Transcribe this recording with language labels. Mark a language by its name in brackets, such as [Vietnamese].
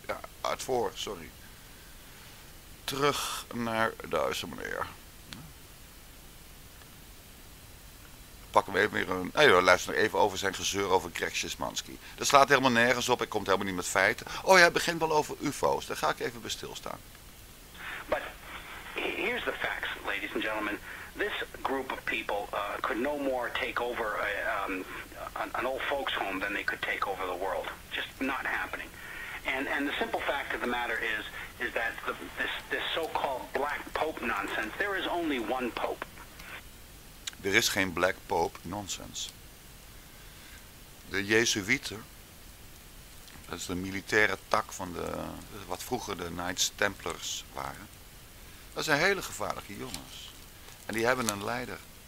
[Dutch] Ja, uit voor, sorry. Terug naar Duitse meneer. Pak hem even weer een. Nee, we luisteren even over zijn gezeur over Greg Szymanski. Dat slaat helemaal nergens op. Hij komt helemaal niet met feiten. Oh ja, hij begint wel over UFO's. Daar ga ik even bij stilstaan. [English] But here's the facts, ladies and gentlemen. This group of people could no more take over an old folks home than they could take over the world. Just not happening. And the simple fact of the matter is that this so-called black pope nonsense, there is only one pope. [Dutch] Er is geen [English] black pope nonsense. [Dutch] De Jezuïeten, dat is de militaire tak van de wat vroeger de Knights Templars waren, dat zijn hele gevaarlijke jongens. En die hebben een leider.